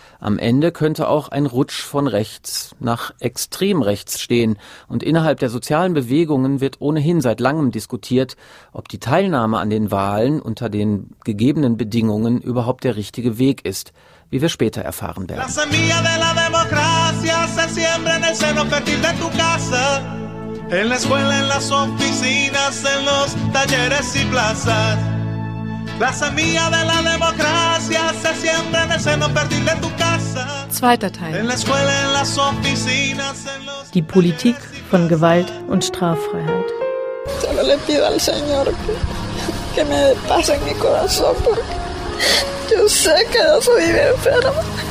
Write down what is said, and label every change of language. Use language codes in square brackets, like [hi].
[de] Am Ende könnte auch ein Rutsch von rechts nach extrem rechts stehen. Und innerhalb der sozialen Bewegungen wird ohnehin seit langem diskutiert, ob die Teilnahme an den Wahlen unter den gegebenen Bedingungen überhaupt der richtige Weg ist, wie wir später erfahren werden. [es] La semilla de la democracia se siembra en el seno fértil de tu casa. En la escuela, en las oficinas, en los talleres y plazas. La semilla de la democracia se siembra en el seno fértil de tu casa. [de] Zweiter Teil. [es] En la escuela, en las oficinas, en los. [de] Die Politik von Gewalt und Straffreiheit. [es] Solo le pido al Señor que me dé paz en mi corazón, porque yo sé que yo soy enfermo.